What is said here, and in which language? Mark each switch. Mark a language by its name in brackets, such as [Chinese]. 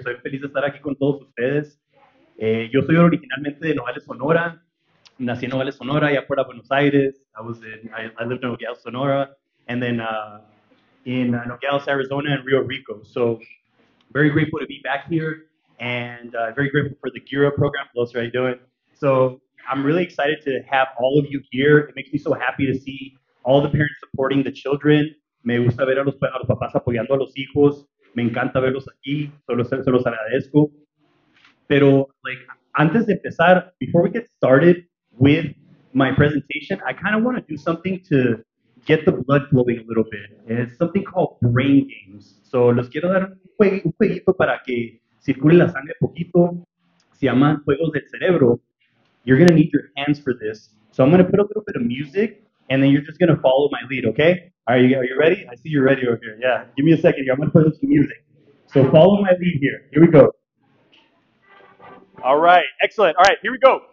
[Spanish] Soy feliz de estar aquí con todos ustedes. Yo soy originalmente de Nogales, Sonora. Nací en Nogales, Sonora, allá fuera de Buenos Aires. [English] I lived in Nogales, Sonora, and then in Nogales, Arizona, and Rio Rico. So very grateful to be back here, and very grateful for the Gira program. What else are you doing? So I'm really excited to have all of you here. It makes me so happy to see all the parents supporting the children. [Spanish] Me gusta ver a los papás apoyando a los hijos. Me encanta verlos aquí, se los agradezco. Pero, like, antes de empezar, [English] before we get started with my presentation, I kind of want to do something to get the blood flowing a little bit. It's something called brain games. [Spanish] So, les quiero dar un jueguito para que circule la sangre poquito. Se llaman juegos del cerebro. [English] You're going to need your hands for this. So, I'm going to put a little bit of music, and then you're just going to follow my lead, okay? Are you ready? I see you're ready over here. Yeah. Give me a second here. I'm going to play some music. So follow my lead here. Here we go. All right. Excellent. All right. Here we go.